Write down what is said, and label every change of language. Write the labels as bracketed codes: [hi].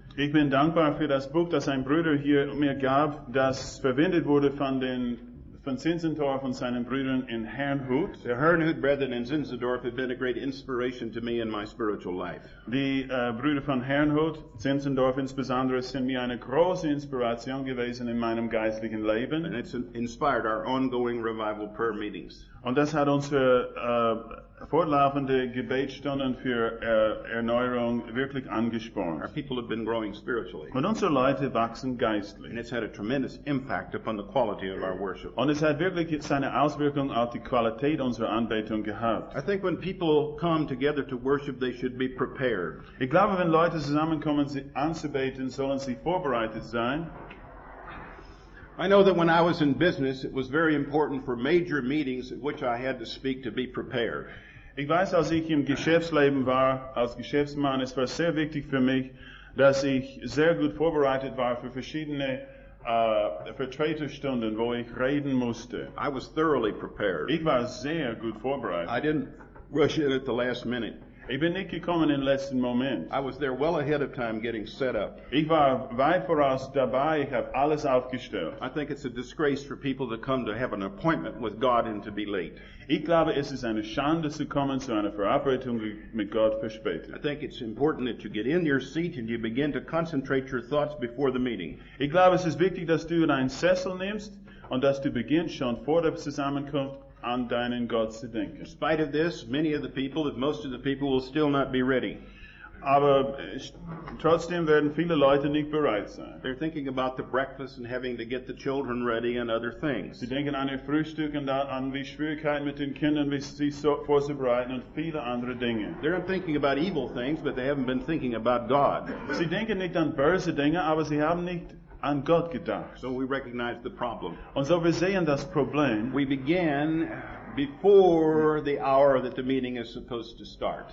[de] Ich bin dankbar für das Buch, das ein Bruder hier mir gab, das verwendet wurde von Zinzendorf und seinen Brüdern in Hernhut. [en] The Hernhut brethren in Zinzendorf have been a great inspiration to me in my spiritual life. [de] Die Brüder von Hernhut, Zinzendorf insbesondere, sind mir eine große Inspiration gewesen in meinem geistlichen Leben. [en] And it's inspired our ongoing revival prayer meetings. [de] Und das hat unsere fortlaufende Gebetsstunden für Erneuerung wirklich angespornt. [en] Our people have been growing spiritually. [de] Und unsere Leute wachsen geistlich. [en] And it's had a tremendous impact upon the quality of our worship. [de] Und es hat wirklich seine Auswirkung auf die Qualität unserer Anbetung gehabt. [en] I think when people come together to worship, they should be prepared. [de] Ich glaube, wenn Leute zusammenkommen, sie anzubeten, sollen sie vorbereitet sein. [en] I know that when I was in business, it was very important for major meetings at which I had to speak to be prepared. [de] Ich weiß, als ich im Geschäftsleben war, als Geschäftsmann, es war sehr wichtig für mich, dass ich sehr gut vorbereitet war für verschiedene Vertreterstunden, wo ich reden musste. [en] I was thoroughly prepared. [de] Ich war sehr gut vorbereitet. [en] I didn't rush in at the last minute. [de] Ich bin nicht gekommen in letzten Moment. [en] I was there well ahead of time getting set up. [de] Ich war weit voraus dabei, ich habe alles aufgestellt. [en] I think it's a disgrace for people to come to have an appointment with God and to be late. [de] Ich glaube, es ist eine Schande zu kommen zu einer Verabredung mit Gott verspätet. [en] I think it's important that you get in your seat and you begin to concentrate your thoughts before the meeting. [de] Ich glaube, es ist wichtig, dass du deinen Sessel nimmst und dass du beginnst schon vor der Zusammenkunft an deinen Gott zu denken. [en] In spite of this, many of the people, if most of the people, will still not be ready. [de] Aber trotzdem werden viele Leute nicht bereit sein. [en] They're thinking about the breakfast and having to get the children ready and other things. [de] Sie denken an ihr Frühstück und an die Schwierigkeiten mit den Kindern, wie sie vorzubereiten und viele andere Dinge. [en] They're thinking about evil things, but they haven't been thinking about God. [de] Sie denken nicht an böse Dinge, aber sie haben nicht an Gott gedacht. [en] So we recognize the problem. [de] Und so wir sehen das Problem. [en] We begin before the hour that the meeting is supposed to start.